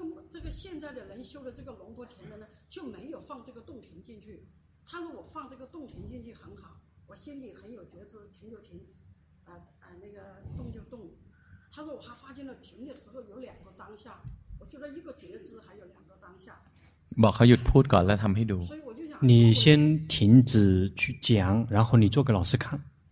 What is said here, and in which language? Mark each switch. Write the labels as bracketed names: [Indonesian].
[Chinese] 这个现在的人修的这个龙伯田的呢，就没有放这个动停进去。他说我放这个动停进去很好，我心里很有觉知，停就停，那个动就动。他说我还发现了停的时候有两个当下，我觉得一个觉知还有两个当下。 [Thai] บอกเขาหยุดพูดก่อนแล้วทำให้ดู [Chinese] 你先停止去讲然后你做给老师看